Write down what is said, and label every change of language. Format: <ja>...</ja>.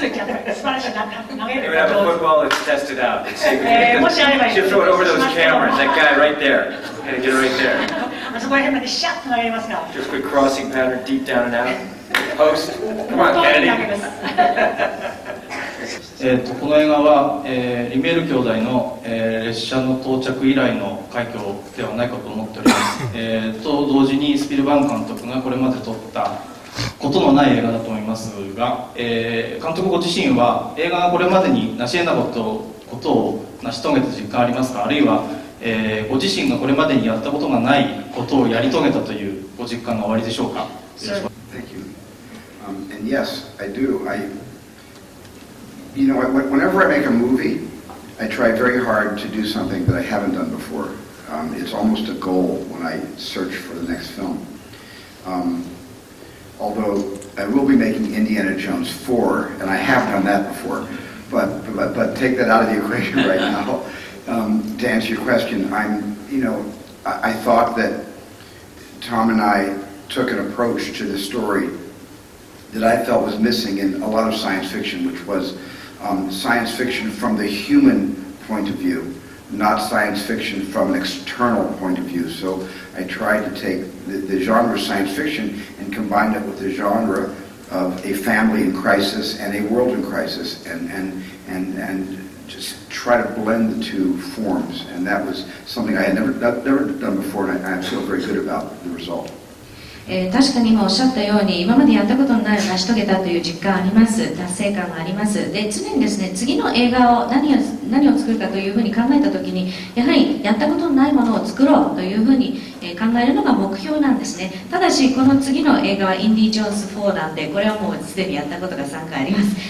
<en>good ball. If you have a football, it's tested out. She'll throw it over those cameras, that guy right there. Just a quick crossing pattern, deep down and out. Post. Come on, Kennedy.</en> <ja>この映画は、リメール兄弟の、列車の到着以来の快挙ではないかと思っております。と同時にスピルバーグ監督がこれまで撮ったことのない映画だと思いますが、監督ご自身は映画がこれまでに成し得なことを成し遂げた実感ありますか、あるいはご自身がこれまでにやったことがないことをやり遂げたというご実感がおありでしょうか。</ja> <en>Thank you. And yes, I do. You know, whenever I make a movie, I try very hard to do something that I haven't done before. It's almost a goal when I search for the next film. Although I will be making Indiana Jones 4, and I have done that before, but take that out of the equation right now. To answer your question, I thought that Tom and I took an approach to this story that I felt was missing in a lot of science fiction, which was science fiction from the human point of view, not science fiction from an external point of view. So I tried to take the genre of science fiction and combine it with the genre of a family in crisis and a world in crisis, and just try to blend the two forms. And that was something I had never done before, and I feel very good about the result.</en> <ja>確かに今おっしゃったように今までやったことのない成し遂げたという実感あります。達成感もあります。で常にですね、次の映画を何を作るかというふうに考えたときに、やはりやったことのないものを作ろうというふうに考えるのが目標なんですね。ただしこの次の映画はインディ・ジョーンズ4なんで、これはもうすでにやったことが3回あります。</ja>